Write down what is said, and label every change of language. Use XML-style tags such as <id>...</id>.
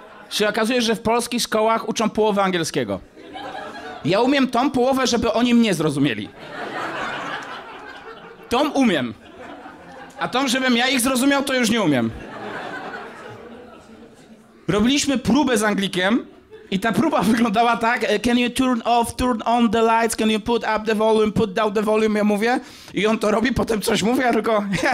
<pl>Się okazuje, że w polskich szkołach uczą połowę angielskiego. Ja umiem tą połowę, żeby oni mnie zrozumieli. Tą umiem. A tą, żebym ja ich zrozumiał, to już nie umiem. Robiliśmy próbę z Anglikiem i ta próba wyglądała tak.</pl> <en>Can you turn off, turn on the lights? Can you put up the volume, put down the volume?</en> <pl>Ja mówię. I on to robi, potem coś mówi, a tylko...</pl>